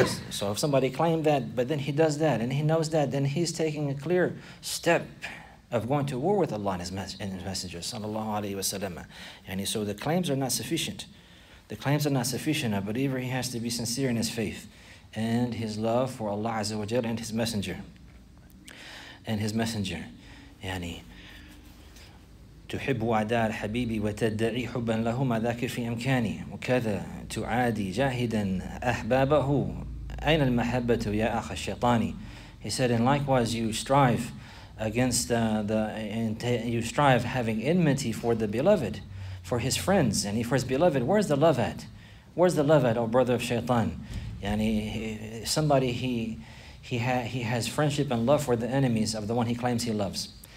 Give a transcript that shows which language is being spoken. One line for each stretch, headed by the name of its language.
English: So if somebody claimed that, but then he does that, and he knows that, then he's taking a clear step of going to war with Allah and His Messenger, sallallahu alayhi wa sallam. And so the claims are not sufficient. The claims are not sufficient. A believer, he has to be sincere in his faith and his love for Allah Azza wa Jal and His Messenger. And His Messenger.
Arabic: Yani, تحب عداء الحبيب وتدعي حبا له ما ذاك في إمكاني وكذا تعادي جاهدا أحبابه أين المحبة يا أخ الشيطان.
English: He said, and likewise you strive against you strive having enmity for the beloved, for his friends, and for his beloved. Where's the love at? Where's the love at, O brother of Shaitan? Yani, somebody he has friendship and love for the enemies of the one he claims he loves.